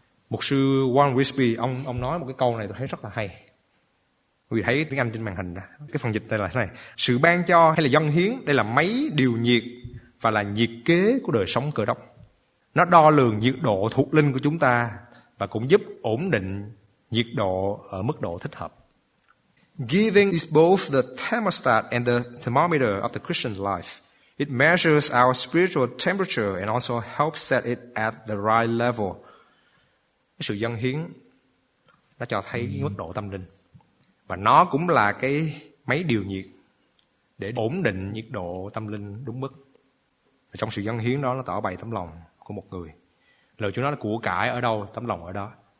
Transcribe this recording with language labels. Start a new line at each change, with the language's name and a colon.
Vietnamese: Mục sư Warren Wisby, ông nói một cái câu này tôi thấy rất là hay. Quý vị thấy tiếng Anh trên màn hình đó. Cái phần dịch đây là thế này: sự ban cho hay là dâng hiến, đây là máy điều nhiệt và là nhiệt kế của đời sống Cơ Đốc. Nó đo lường nhiệt độ thuộc linh của chúng ta và cũng giúp ổn định nhiệt độ ở mức độ thích hợp.
English: Giving is both the thermostat and the thermometer of the Christian life. It measures our spiritual temperature and also helps set it at the right level.
Vietnamese: Cái sự dâng hiến nó cho thấy cái mức độ tâm linh, và nó cũng là cái máy điều nhiệt để ổn định nhiệt độ tâm linh đúng mức. Và trong sự dâng hiến đó, nó tỏ bày tấm lòng của một người. Lời Chúa nói là của cải ở đâu, tấm lòng ở đó.